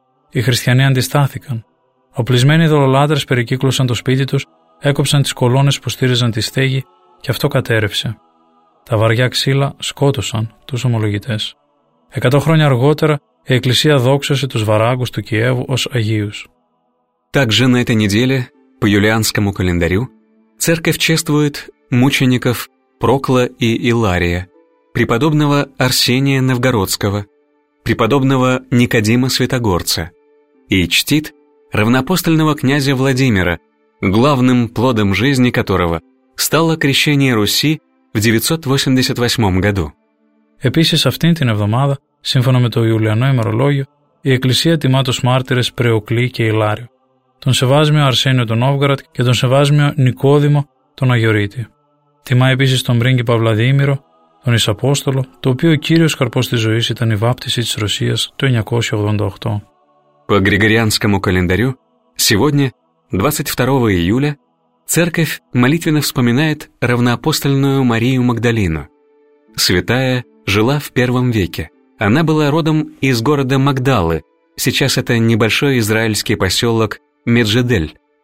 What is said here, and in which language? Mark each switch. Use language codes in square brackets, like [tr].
[el] Οι χριστιανοί αντιστάθηκαν. Οπλισμένοι ειδωλολάτρες περικύκλωσαν το σπίτι τους, έκοψαν τις κολόνες που στήριζαν τη στέγη και αυτό κατέρευσε. Τα βαριά ξύλα σκότωσαν τους ομολογητές. 100 χρόνια αργότερα η Εκκλησία δόξασε τους Βαράγκους του Κιέβου ως Αγίους. [ru] Также на этой неделе, по юлианскому календарю, церковь чествует мучеников Прокла и Илария, преподобного Арсения Новгородского, преподобного Никодима Святогорца и чтит равноапостольного князя Владимира, главным плодом жизни которого стало крещение Руси в 988 году. [el] Επίσης αυτήν την εβδομάδα, σύμφωνα με το Ιουλιανό ημερολόγιο, η Εκκλησία τιμά τους μάρτυρες Πρεοκλή και Ηλάριο, τον Σεβάσμιο Αρσένιο τον Νόβγαρατ και τον Σεβάσμιο Νικόδημο τον Αγιορείτη. Τιμά επίσης τον πρίγκιπα Βλαδίμηρο, τον Ισαπόστολο, το οποίο ο κύριος καρπός της ζωής ήταν η βάπτιση της Ρωσίας το 988. [ru] По Григорианскому календарю сегодня, 22 июля, церковь молитвенно вспоминает равноапостольную Марию Магдалину. Святая жила в первом веке. Она была родом из города Магдалы, сейчас это небольшой израильский поселок Меджедель.